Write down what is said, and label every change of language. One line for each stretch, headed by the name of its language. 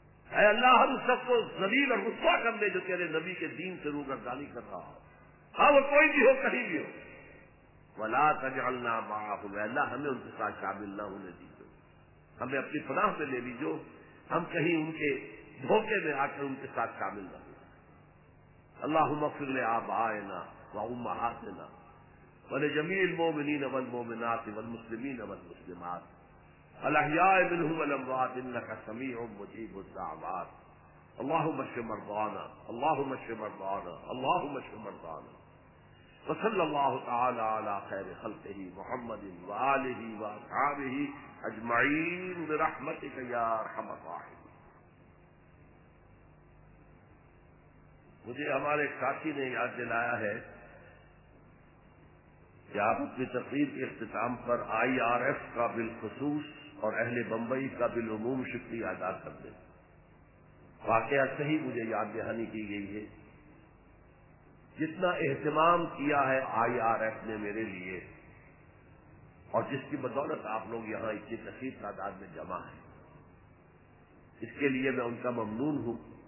Urdu: اے اللہ ہم سب کو ذلیل اور رسوا کر دے جو تیرے نبی کے دین سے روگردانی کر رہا ہو، ہاں وہ کوئی بھی ہو کہیں بھی ہو.
Arabic: ولا تجعلنا معهم،
Urdu: اے اللہ ہمیں ان کے ساتھ شامل نہ ہونے دیجو، ہمیں اپنی پناہ میں لے لیجو، ہم کہیں ان کے دھوکے میں آ کر ان کے ساتھ شامل نہ ہو.
Arabic: اللہم اغفر لآبائنا وأمہاتنا ولجميع المؤمنين والمؤمنات والمسلمين والمسلمات الأحياء منهم والأموات إنك سميع مجيب الدعوات. اللهم اشف مرضانا، اللهم اشف مرضانا، اللهم اشف مرضانا. وصلى الله تعالى على خير خلقه محمد وآله وأصحابه أجمعين برحمتك يا أرحم الراحمين.
Urdu: مجھے ہمارے ساتھی نے یاد دلایا ہے کہ آپ اپنی تقریر کے اختتام پر آئی آر ایف کا بالخصوص اور اہل بمبئی کا بالعموم شکریہ ادا کر دیں. واقعہ صحیح مجھے یاد دہانی کی گئی ہے، جتنا اہتمام کیا ہے آئی آر ایف نے میرے لیے اور جس کی بدولت آپ لوگ یہاں اتنی کثیر تعداد میں جمع ہیں، اس کے لیے میں ان کا ممنون ہوں.